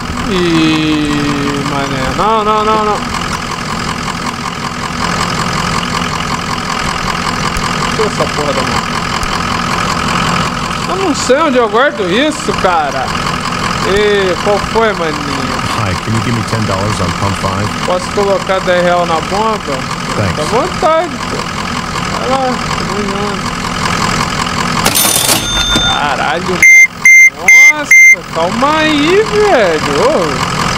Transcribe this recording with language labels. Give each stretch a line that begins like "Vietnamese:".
Portuguese: E mané. Não, não, não, não. Que essa porra da mão? Eu não sei onde eu guardo isso, cara. E qual foi, maninho?
English: Hi, can you give me $10 on pump 5?
Portuguese: Posso colocar 10 real na bomba?
English: Thanks.
Portuguese: Tá vontade, pô. Caralho, não. Caralho, nossa, calma aí, velho.